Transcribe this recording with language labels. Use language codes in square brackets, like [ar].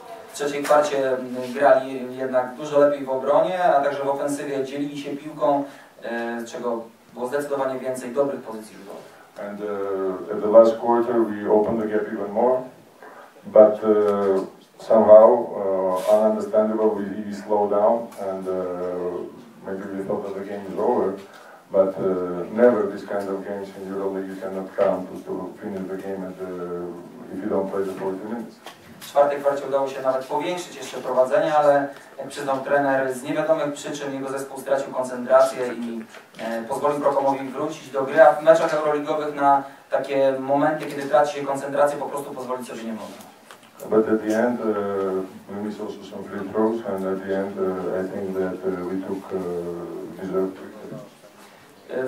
[pl] W trzeciej kwarcie grali jednak dużo lepiej w obronie, a także w ofensywie dzielili się piłką, czego było zdecydowanie więcej dobrych pozycji rzutowych. [en] And at the last quarter, we opened the gap even more, but somehow ununderstandable, we slowed down and. Maybe we thought that the game is over, but never this kind of games in Euroleague, you cannot count to finish the game at, if you don't play the 40 minutes. [pl] W czwartej kwarcie udało się nawet powiększyć jeszcze prowadzenie, ale jak przyznał trener, z niewiadomych przyczyn jego zespół stracił koncentrację i pozwolił Prokomowi wrócić do gry, a w meczach euroligowych na takie momenty, kiedy traci się koncentrację, po prostu pozwolić sobie nie można. [en] But at the end, we missed also some free throws, and at the end, I think that we took deserved victory.